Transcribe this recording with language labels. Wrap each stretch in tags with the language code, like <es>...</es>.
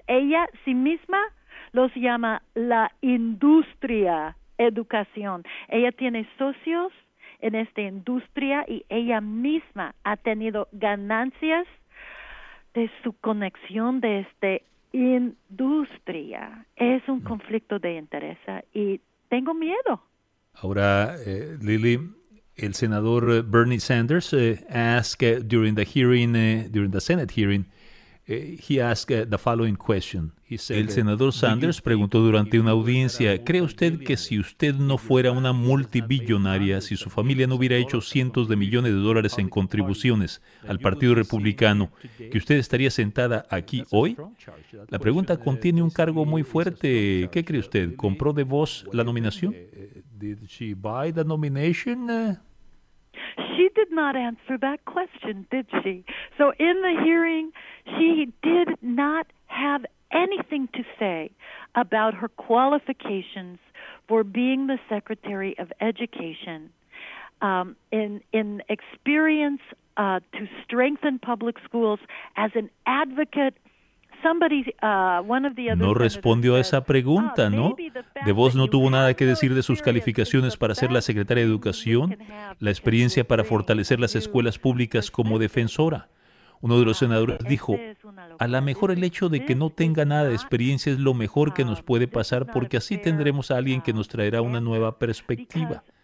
<es>Ella sí misma los llama la industria educación. Ella tiene socios en esta industria y ella misma ha tenido ganancias de su conexión de esta industria. Es un conflicto de interés y tengo miedo. Ahora, Lily, el senador</es> <en>Bernie Sanders asked during the hearing, during the Senate hearing, he asked the following question. He said,</en> <es>el senador Sanders preguntó durante una audiencia, ¿cree usted que si usted no fuera una multibillonaria, si su familia no hubiera hecho cientos de millones de dólares en contribuciones al Partido Republicano, que usted estaría sentada aquí hoy? La pregunta contiene un cargo muy fuerte. ¿Qué cree usted? ¿Compró de voz la nominación?</es> <en>Did she buy the nomination? She did not answer that question, did she? So in the hearing, she did not have anything to say about her qualifications for being the Secretary of Education, in experience to strengthen public schools as an advocate.</en> <es>No respondió a esa pregunta, ¿no? DeVos no tuvo nada que decir de sus calificaciones para ser la secretaria de Educación, la experiencia para fortalecer las escuelas públicas como defensora. Uno de los senadores dijo, a lo mejor el hecho de que no tenga nada de experiencia es lo mejor que nos puede pasar porque así tendremos a alguien que nos traerá una nueva perspectiva.</es>